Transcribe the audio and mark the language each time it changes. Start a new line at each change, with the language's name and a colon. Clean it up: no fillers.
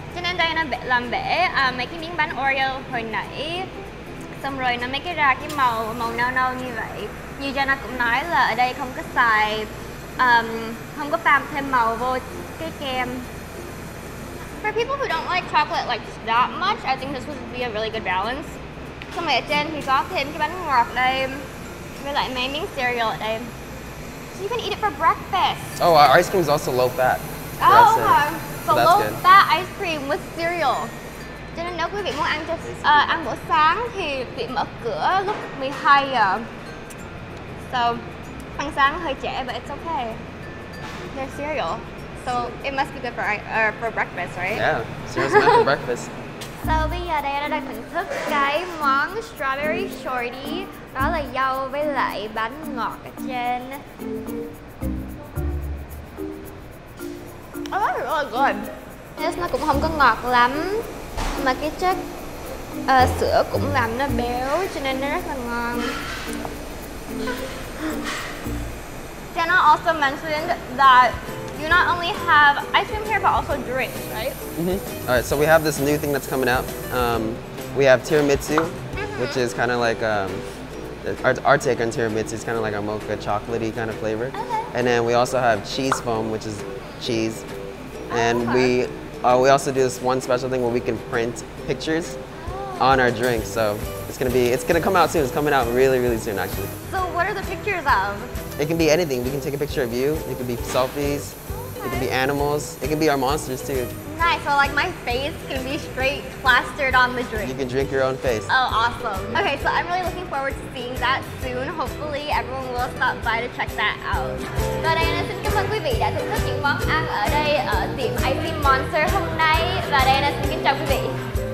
Vietnamese: Cho nên Diana làm bể, mấy cái miếng bánh Oreo hồi nãy. Xong rồi nó mới cái ra cái màu nâu nâu như vậy. Như Diana cũng nói là ở đây không có xài, không có pha thêm màu vô cái kem.
English: For people who don't like chocolate like that much, I think this would be a really good balance.
Vietnamese: Xong rồi ở trên thì có thêm cái bánh ngọt đây. Với lại mấy miếng cereal ở đây.
English: So you can eat it for breakfast. Oh, our ice cream is also low fat. Oh, so low fat ice cream with cereal.
Vietnamese: Cho nên nếu quý vị muốn ăn cho ăn bữa sáng thì bị mở cửa lúc 12 giờ.
English: So,
Vietnamese: ăn sáng hơi trễ,
English: but it's okay. There's cereal. So it must be good for breakfast, right? Yeah, for breakfast.
Vietnamese: So bây giờ Diana đang thưởng thức cái món strawberry shorty. Đó là dâu với lại bánh ngọt ở trên.
English: Oh, that's really good. Yes,
Vietnamese: nó cũng không có ngọt lắm. Mà cái chất sữa cũng làm nó béo cho nên nó rất là ngon.
English: Diana also mentioned that you not only have ice cream here, but also drinks, right? Mm-hmm. All right, so we have this new thing that's coming out. We have tiramisu, mm-hmm. which is kind of like our take on tiramisu. It's kind of like a mocha chocolatey kind of flavor. Okay. And then we also have cheese foam, which is cheese. And we also do this one special thing where we can print pictures on our drink. So it's gonna come out soon. It's coming out really, really soon, actually. So what are the pictures of? It can be anything. We can take a picture of you. It can be selfies. Okay. It can be animals. It can be our monsters too. Nice. So like my face can be straight plastered on the drink. You can drink your own face. Oh, awesome. Okay, so I'm really looking forward to seeing that soon. Hopefully everyone will stop by to check that out.
Vietnamese: Và Diana xin cảm ơn quý vị đã thưởng thức những món ăn ở đây ở tiệm ICMonster hôm nay. Và Diana xin kính chào quý vị.